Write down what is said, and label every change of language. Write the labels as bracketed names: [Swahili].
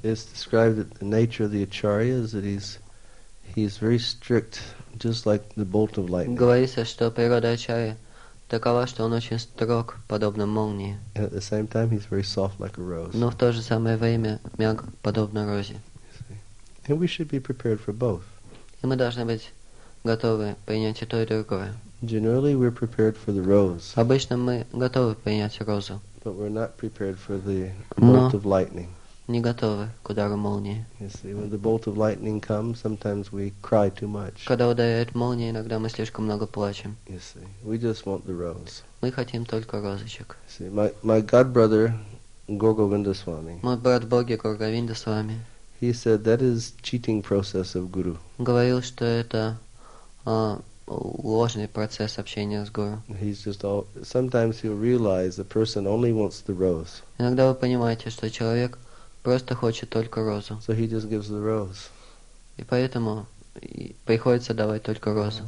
[English] It's described that the nature of the acharya is that he's very strict, just like the bolt of lightning. [Russian] Говорится, что природа ачарьи такова, что он очень строг, подобно молнии. [English] And at the same time, he's very soft, like a rose. [Russian] Но в то же самое время мяг, подобно розе. [English] And we should be prepared for both. [Russian] И мы должны быть готовы принять и то, и другое. [English] Generally, we're prepared for the rose. [Russian] Обычно мы готовы принять розу. [English] But we're not prepared for the bolt of lightning. [Russian] Не готовы к удару молнии. [English] You see, when the bolt of lightning comes, sometimes we cry too much. [Russian] Когда ударяет молния, иногда мы слишком много плачем. [English] You see, we just want the rose. [Russian] Мы хотим только розочек. [English] See, my god brother, Gorga Vindaswami. [Russian] Мой брат Боги Горга Виндасвами. [English] He said that is cheating process of guru. [Russian] Говорил, что это ложный процесс общения с гуру. [English] He's just all. Sometimes he'll realize the person only wants the rose. [Russian] Иногда вы понимаете, что человек просто хочет только розу. [English] So he just gives the rose. [Russian] И поэтому приходится давать только розу.